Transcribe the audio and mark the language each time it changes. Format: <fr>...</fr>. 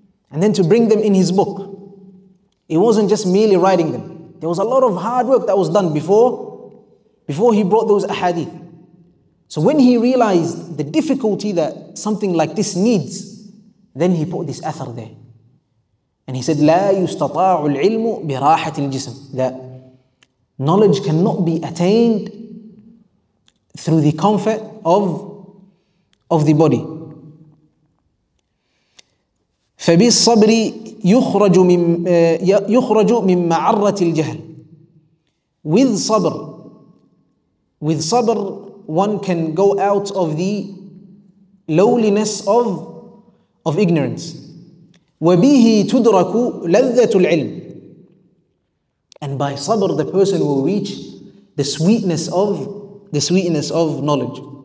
<en>And then to bring them in his book. It wasn't just merely writing them. There was a lot of hard work that was done before he brought those ahadith. So when he realized the difficulty that something like this needs, then he put this athar there.</en> <ar>And he said, لا يستطاع العلم براحة الجسم.</ar> <en>That knowledge cannot be attained through the comfort of the body.</en> <ar>فبالصبر يخرج من معرة الجهل.</ar> <en>With sabr, one can go out of the lowliness of ignorance.</en> <ar>وبه تدرك لذة العلم.</ar> <en>And by sabr, the person will reach the sweetness of knowledge.</en>